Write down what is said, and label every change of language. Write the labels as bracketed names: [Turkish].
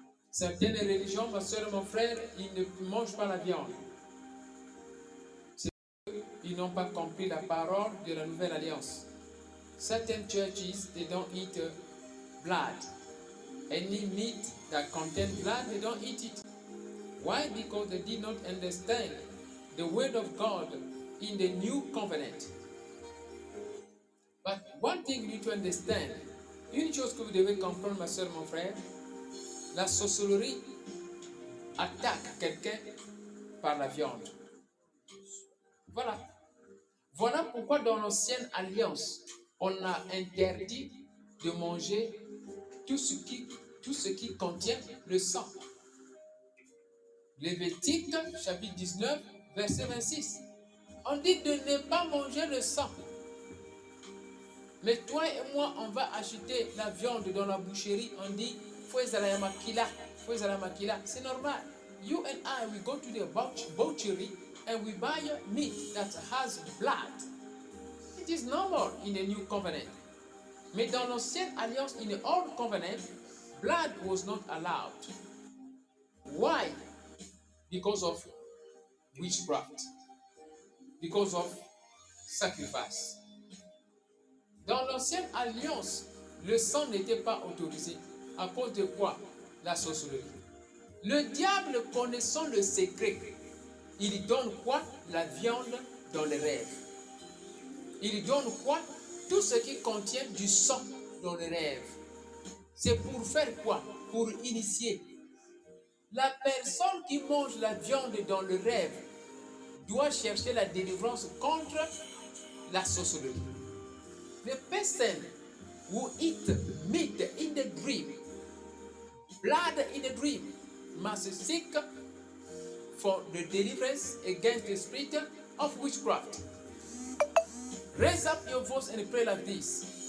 [French] Certaines religions, ma soeur et mon frère, ils ne mangent pas la viande. C'est parce qu'ils n'ont pas compris la parole de la Nouvelle Alliance. [English] Certaines churches, they don't eat blood. Any meat that contains blood, they don't eat it. Why? Because they did not understand the word of God in the new covenant. But one thing you need to understand, [French] une chose que vous devez comprendre, ma soeur, mon frère, la sorcellerie attaque quelqu'un par la viande. Voilà. Voilà pourquoi dans l'ancienne alliance, on a interdit de manger tout ce qui contient le sang. Lévitique, chapitre 19, verset 26. On dit de ne pas manger le sang. Mais toi et moi, on va acheter la viande dans la boucherie. On dit, faut la maquila. C'est normal. [English] You and I, we go to the butchery and we buy meat that has blood. It is normal in the new covenant. [French] Mais dans l'ancienne alliance, [English] in the old covenant, blood was not allowed. Why? Because of witchcraft. Because of sacrifice. [French] Dans l'ancienne alliance, le sang n'était pas autorisé. À cause de quoi? La sorcellerie. Le diable, connaissant le secret, il donne quoi? La viande dans les rêves. Il donne quoi? Tout ce qui contient du sang dans les rêves. C'est pour faire quoi? Pour initier. La personne qui mange la viande dans le rêve doit chercher la délivrance contre la sorcellerie. [English] The person who eat meat in the dream, blood in the dream, must seek for the deliverance against the spirit of witchcraft. Raise up your voice and pray like this.